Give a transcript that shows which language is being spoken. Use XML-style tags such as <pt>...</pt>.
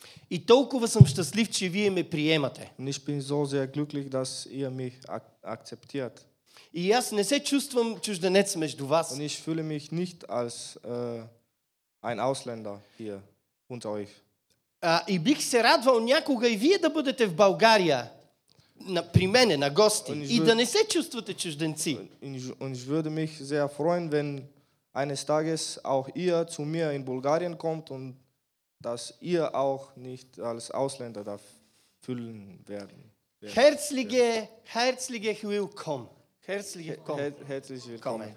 <bg>И толкова съм щастлив, че вие ме приемате.</bg> <de>Und ich bin so sehr glücklich, dass ihr mich akzeptiert.</de> <bg>И аз не се чувствам чужденец между вас.</bg> <de>Und ich fühle mich nicht als ein Ausländer hier unter euch.</de> <bg>И бих се радвал някога и вие да бъдете в България, на, при мене, на гости, и да не се чувствате чужденци.</bg> <de>Ich würde mich sehr freuen, wenn eines Tages auch ihr zu mir in Bulgarien kommt und dass ihr auch nicht als Ausländer da fühlen werden. Herzliche, herzliche Willkommen. Herzlich willkommen.</de>